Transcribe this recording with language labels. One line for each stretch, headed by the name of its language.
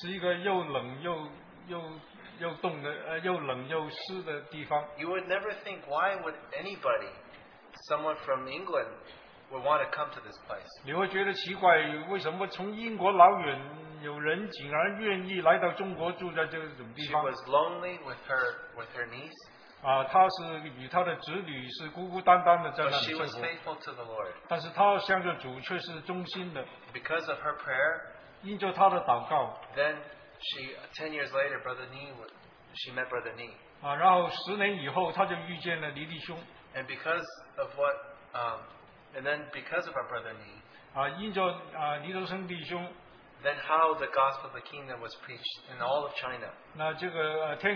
Chinese: 是一个又冷又 又冷又湿的地方,
English: you would never think why would anybody, someone from England, would want to come to this place.
Chinese: 你会觉得奇怪, 为什么从英国老远, 有人竟然愿意来到中国住在这种地方。
English: She was lonely with her niece.
Chinese: 她是与她的子女, 是孤孤单单的在那里生活。
English: But she was faithful to the Lord.
Chinese: 但是她向着主却是忠心的。
English: Because of her prayer,
Chinese: 因着她的祷告,
English: then she 10 years later, Brother Ni, she met Brother Ni.
Chinese: 然后10年以后，他就遇见了黎弟兄。
English: And because of what, and then because of our Brother Ni.
Chinese: 因着黎德生弟兄。
English: Then how the gospel of the kingdom was preached in all of China.